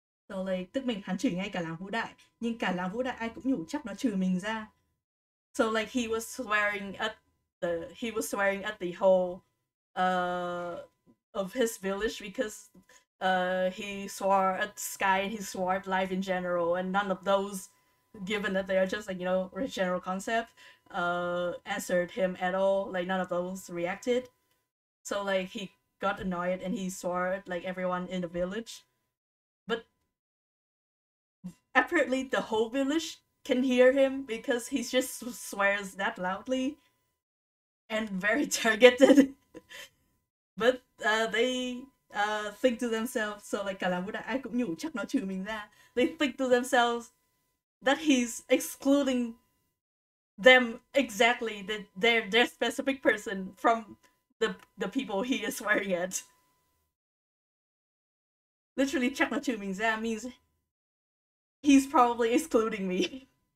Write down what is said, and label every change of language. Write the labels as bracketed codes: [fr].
[en] So like, [vi] tức mình hắn chửi ngay cả làng Vũ Đại, nhưng cả làng Vũ Đại ai cũng nhủ chắc nó trừ mình ra. [en] So like, he was swearing at the whole of his village because he swore at the sky and he swore at life in general, and none of those, given that they are just like, you know, a general concept, answered him at all. Like, none of those reacted. So like, he got annoyed and he swore at like everyone in the village. Apparently the whole village can hear him because he just swears that loudly and very targeted. But they think to themselves, so like [vi] cả làng Vũ Đại ai cũng nhủ chắc nó trừ mình ra. [en] They think to themselves that he's excluding them, exactly their specific person, from the people he is swearing at. Literally, [vi] chắc nó trừ mình ra [en] means he's probably excluding me.